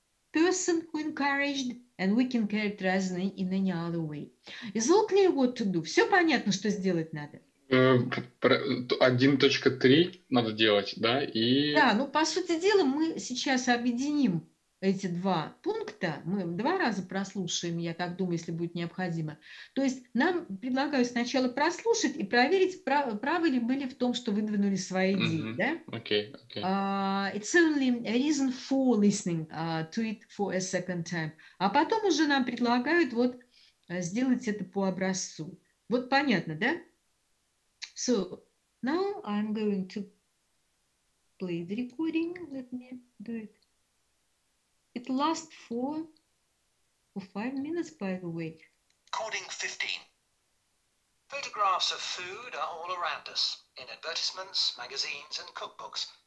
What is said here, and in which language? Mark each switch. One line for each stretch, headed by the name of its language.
English: Person who encouraged, and we can characterize in any other way. Is all clear what to do?
Russian: Все понятно, что сделать надо. 1.3 надо делать, да, и... Да, ну, по сути дела, мы сейчас объединим эти два пункта, мы два раза прослушаем, я так думаю, если будет необходимо. То есть нам предлагаю сначала прослушать и проверить, правы ли были в том, что выдвинули свои идеи, да? Окей.
English: It's only a reason for listening to it for a second time.
Russian: А потом уже нам предлагают вот сделать это по образцу. Вот понятно, да?
English: So now I'm going to play the recording. Let me do it. It lasts 4 or 5 minutes, by the way. Recording 15. Photographs of food are all around us, in advertisements, magazines, and cookbooks.